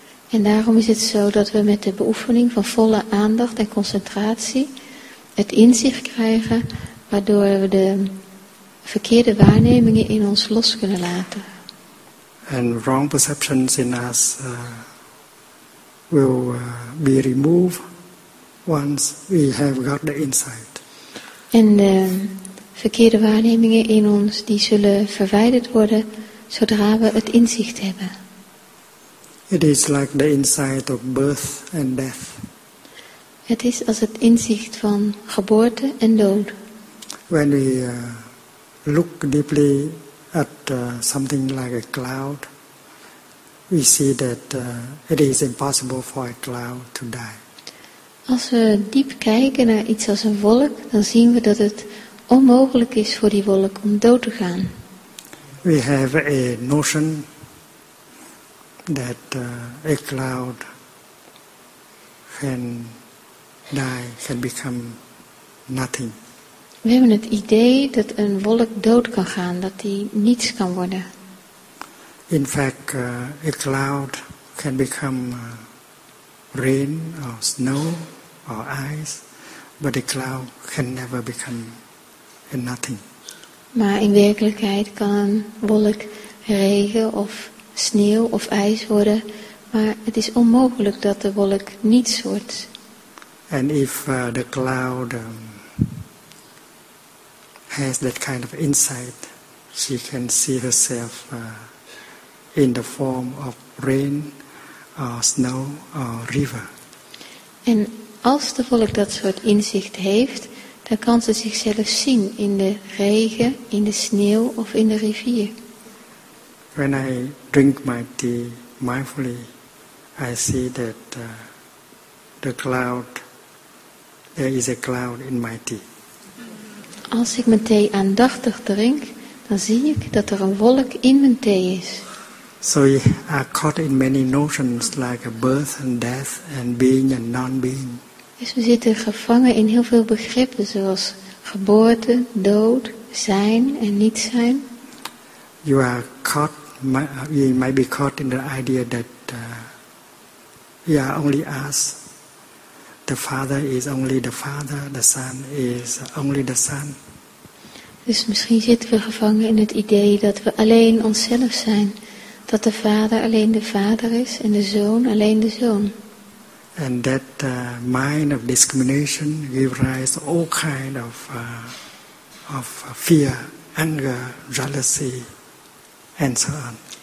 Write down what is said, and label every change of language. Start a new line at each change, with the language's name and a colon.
Dutch: En daarom is het zo dat we met de beoefening van volle aandacht en concentratie het inzicht krijgen waardoor we de verkeerde waarnemingen in ons los kunnen laten.
English: And wrong perceptions in us will be removed once we have got the insight.
Dutch: En de verkeerde waarnemingen in ons, die zullen verwijderd worden zodra we het inzicht hebben.
English: It is like the insight of birth and death.
Dutch: Het is als het inzicht van geboorte en dood.
English: When we look deeply at something like a cloud, we see that it is impossible for a cloud to die.
Dutch: Als we diep kijken naar iets als een wolk, dan zien we dat het onmogelijk is voor die wolk om dood te gaan.
English: We have a notion that a cloud can die, can become nothing.
Dutch: We hebben het idee dat een wolk dood kan gaan, dat die niets kan worden.
English: In fact, a cloud can become rain or snow or ice, but a cloud can never become nothing.
Dutch: Maar in werkelijkheid kan een wolk regen of sneeuw of ijs worden, maar het is onmogelijk dat de wolk niets wordt.
English: And if the cloud has that kind of insight, she can see herself in the form of rain or snow or river.
Dutch: En als de wolk dat soort inzicht heeft, dan kan ze zichzelf zien in de regen, in de sneeuw of in de rivier.
English: When I drink my tea mindfully, I see that there is a cloud in my tea.
Dutch: Als ik mijn thee aandachtig drink, dan zie ik dat er een wolk in mijn thee is.
English: So we are caught in many notions like birth and death and being and non-being.
Dutch: Dus we zitten gevangen in heel veel begrippen zoals geboorte, dood, zijn en niet zijn.
English: You are caught, you might be caught in the idea that we are only us. The father is only the father, the son is only the son.
Dutch: Dus misschien zitten we gevangen in het idee dat we alleen onszelf zijn. Dat de vader alleen de vader is en de zoon alleen de zoon.
English: And that mind of discrimination gives rise to all kinds of fear, anger, jealousy, and so on.